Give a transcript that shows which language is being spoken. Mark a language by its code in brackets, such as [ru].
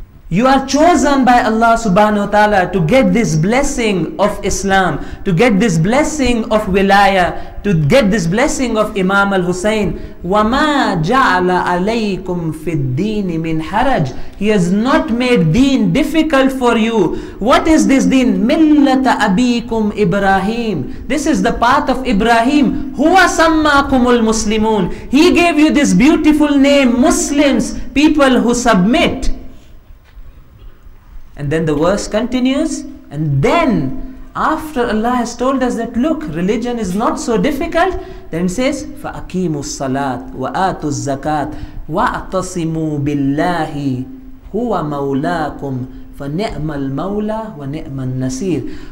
[en] You are chosen by Allah subhanahu wa ta'ala to get this blessing of Islam, to get this blessing of wilaya, to get this blessing of Imam al-Husayn. [ar] وَمَا جَعْلَ عَلَيْكُمْ فِي الدِّينِ مِنْ حَرَجٍ. [en] He has not made deen difficult for you. What is this deen? [ar] مِلَّةَ أَبِيكُمْ Ibrahim. [en] This is the path of Ibrahim. [ar] هُوَ سَمَّاكُمُ الْمُسْلِمُونَ. [en] He gave you this beautiful name, Muslims, people who submit. And then the verse continues, and then after Allah has told us that, look, religion is not so difficult, then it says, [ar] فَأَقِيمُوا الصَّلَاةِ وَآتُوا الزَّكَاةِ وَأَعْتَصِمُوا بِاللَّهِ هُوَ مَوْلَاكُمْ فَنِعْمَ الْمَوْلَى وَنِعْمَ النَّصِيرُ.